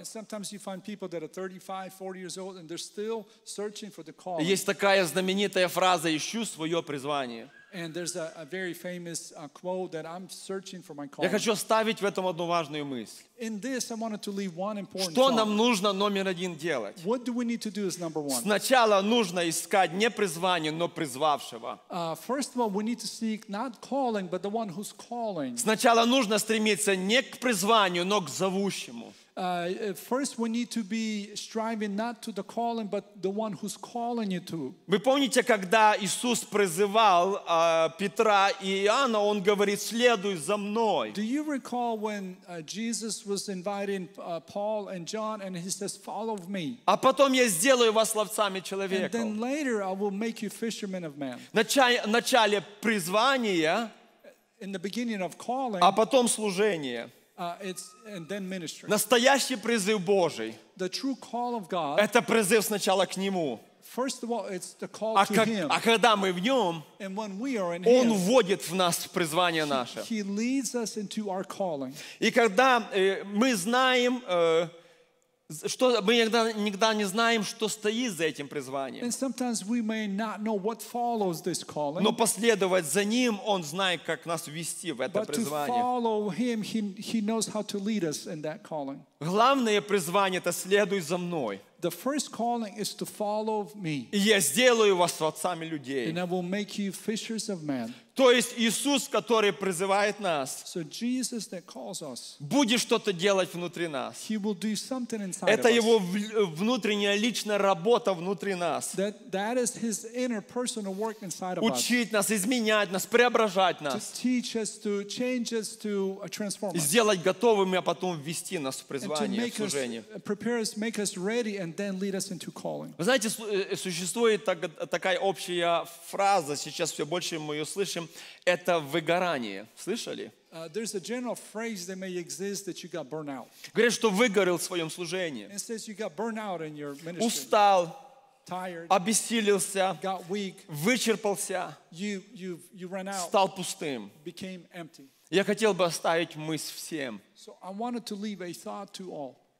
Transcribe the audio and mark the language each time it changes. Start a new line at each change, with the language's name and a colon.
English: And sometimes you find people that are 35-40 years old and they're still searching for the call.
Russian: Есть такая знаменитая фраза: ищу свое призвание.
English: And there's a very famous quote that I'm searching for my calling.
Russian: Я хочу оставить в этом одну важную мысль.
English: In this, I wanted to leave one important thought.
Russian: Что нам нужно номер один делать?
English: What do we need to do is number one.
Russian: Сначала нужно искать не призвание, но призвавшего.
English: First of all, we need to seek not calling, but the one who's calling.
Russian: Сначала нужно стремиться не к призванию, но к зовущему.
English: First, we need to be striving not to the calling, but the one who's calling you to.
Russian: Вы помните, когда Иисус призывал Петра и Иоанна, Он говорит: следуй за мной.
English: Do you recall when Jesus was inviting Paul and John, and He says, "Follow me"?
Russian: А потом я сделаю вас ловцами человека.
English: And then later, I will make you fishermen of men.
Russian: Начале призвания.
English: In the beginning of calling.
Russian: А потом служение.
English: And then ministry.
Russian: Настоящий призыв Божий.
English: The true call of God.
Russian: Это призыв сначала к Нему.
English: First of all, it's the call to Him.
Russian: А когда мы в Нем,
English: and when we are in
Russian: Он
English: Him,
Russian: вводит в нас призвание наше.
English: He leads us into our calling.
Russian: И когда мы знаем, что мы никогда не знаем, что стоит за этим призванием.
English: And sometimes we may not know what follows this calling.
Russian: Но последовать за Ним, Он знает, как нас вести в это призвание.
English: But to follow Him, He knows how to lead us in that calling.
Russian: Главное призвание — это следуй за мной.
English: The first calling is to follow me.
Russian: И я сделаю вас отцами людей.
English: And I will make you fishers of men.
Russian: То есть Иисус, который призывает нас,
English: so Jesus that calls us,
Russian: будет что-то делать внутри нас.
English: He will do something inside
Russian: это
English: of us.
Russian: Его внутренняя личная работа внутри нас.
English: That is His inner personal work inside of
Russian: учить
English: us.
Russian: Нас, изменять нас, преображать нас.
English: To teach us, to change us, to transform us.
Russian: И сделать готовыми, а потом ввести нас в призвание, в служение.
English: To prepare us, make us ready, and then lead us into calling.
Russian: Вы знаете, существует такая общая фраза, сейчас все больше мы ее слышим, это выгорание. Слышали?
English: There's a general phrase that may exist that you got burned out.
Russian: Говорят, что выгорел в своем служении.
English: It says you got burned out in your ministry.
Russian: Устал.
English: Tired.
Russian: Обессилился.
English: Got weak.
Russian: Вычерпался.
English: You ran out.
Russian: Стал пустым.
English: Became empty.
Russian: Я хотел бы оставить мысль всем.
English: So I wanted to leave a thought to all.